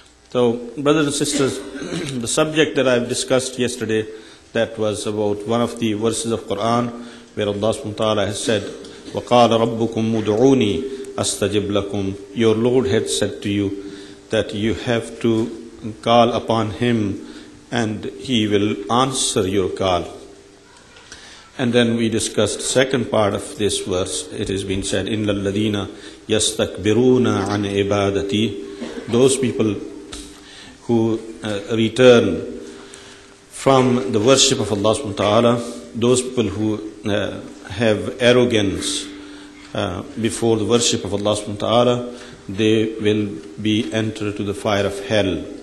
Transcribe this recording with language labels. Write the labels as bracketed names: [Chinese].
[English] So, brothers and sisters, the subject that I've discussed yesterday, that was about one of the verses of Quran where Allah subhanahu wa ta'ala has said, [Arabic] وَقَالَ رَبُّكُمْ مُدْعُونِي أَسْتَجِبْ لَكُمْ. [English] Your Lord had said to you that you have to call upon Him and He will answer your call. And then we discussed second part of this verse. It has been said, [Arabic] إِنَّ الَّذِينَ يَسْتَكْبِرُونَ عَنْ عِبَادَتِي. [English] Those people who return from the worship of Allah subhanahu wa ta'ala, those people who have arrogance before the worship of Allah subhanahu wa ta'ala, they will be entered to the fire of hell.